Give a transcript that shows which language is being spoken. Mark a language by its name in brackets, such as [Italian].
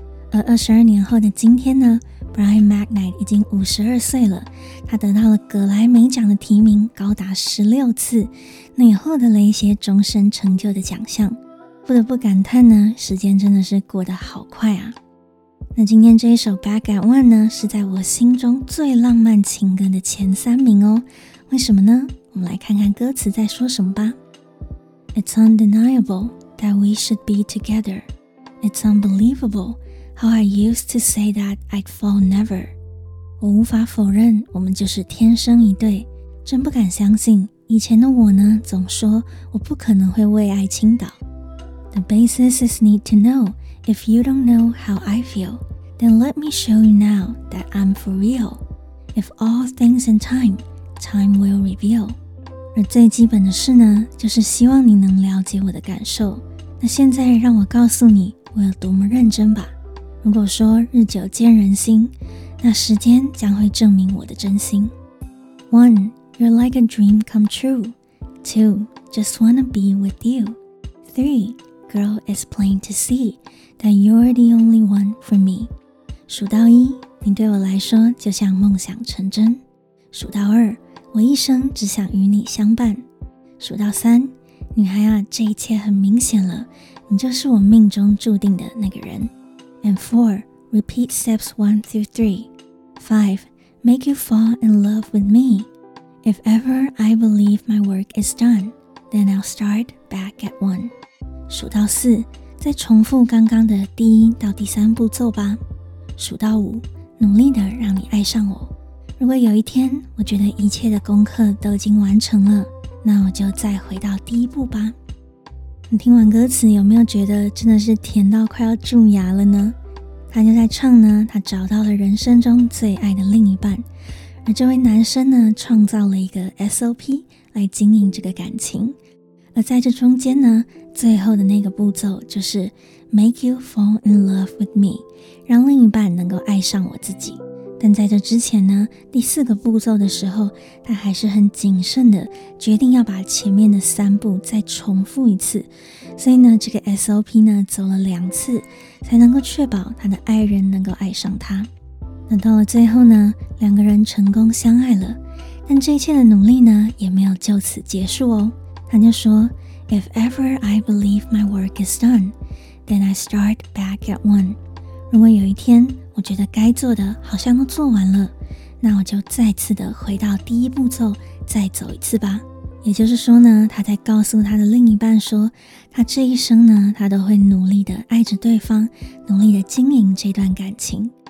[Chinese] 而22年后的今天呢， Brian McKnight 已经52岁了，他得到了格莱美奖的提名高达16次，那也获得了一些终身成就的奖项。不得不感叹呢，时间真的是过得好快啊。那今天这一首 Back at One 呢，是在我心中最浪漫情歌的前3名哦。为什么呢？我们来看看歌词在说什么吧。 [English] It's undeniable that we should be together. It's unbelievable how I used to say that I'd fall never. [Chinese] 我无法否认我们就是天生一对，真不敢相信以前的我呢，总说我不可能会为爱倾倒。 [English] The basis is need to know. If you don't know how I feel, then let me show you now that I'm for real. If all things in time, time will reveal. [Chinese] 而最基本的事呢，就是希望你能了解我的感受。那现在让我告诉你我有多么认真吧。如果说日久见人心，那时间将会证明我的真心。 [English] 1. You're like a dream come true. 2. Just wanna be with you. 3. Girl, it's plain to see that you're the only one for me. [Chinese] 数到一，你对我来说就像梦想成真。数到二，我一生只想与你相伴。数到三，女孩啊，这一切很明显了，你就是我命中注定的那个人。 [English] And 4. Repeat steps 1 through 3. 5. Make you fall in love with me. If ever I believe my work is done, then I'll start back at 1. [Chinese] 数到4，再重复刚刚的第1到第3步骤吧。数到5，努力的让你爱上我。如果有一天我觉得一切的功课都已经完成了，那我就再回到第1步吧。你听完歌词有没有觉得真的是甜到快要蛀牙了呢？他就在唱呢，他找到了人生中最爱的另一半，而这位男生呢，创造了一个 SOP 来经营这个感情。而在这中间呢，最后的那个步骤就是 make you fall in love with me，让另一半能够爱上我自己。但在这之前呢，第四个步骤的时候，他还是很谨慎的决定要把前面的三步再重复一次，所以呢，这个 SOP 呢走了两次，才能够确保他的爱人能够爱上他。那到了最后呢，两个人成功相爱了，但这一切的努力呢也没有就此结束哦。 [English] 他就说 If ever I believe my work is done, then I start back at one. [Chinese] 如果有一天我觉得该做的好像都做完了，那我就再次的回到第一步骤再走一次吧。也就是说呢，他在告诉他的另一半说，他这一生呢，他都会努力的爱着对方，努力的经营这段感情。